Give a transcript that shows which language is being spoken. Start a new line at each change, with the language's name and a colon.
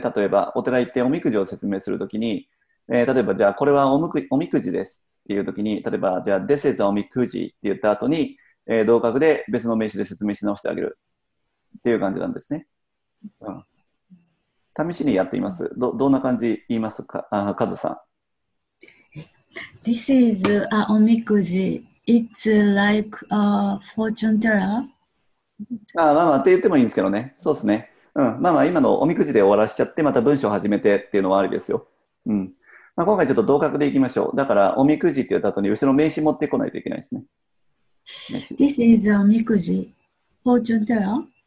Japanese: 例えばお寺行っておみくじを説明するときに、例えばじゃあこれはおみくじですっていうときに、例えばじゃあ
English: This is
Japanese: おみくじって言った後に、同格で別の名詞で説明し直してあげるっていう感じなんですね。試しにやってみます。どんな感じ言いますか。カズさん。
English: This is a おみくじ It's like a fortune teller?
Japanese: あ、まあまあって言ってもいいんですけどね。そうですね。まあまあ、今のおみくじで終わらしちゃって、また文章を始めてっていうのはありですよ。まあ、今回ちょっと同格でいきましょう。だから、おみくじって言った後に後ろ名詞持ってこないといけないですね。
English: This is a おみくじ fortune teller?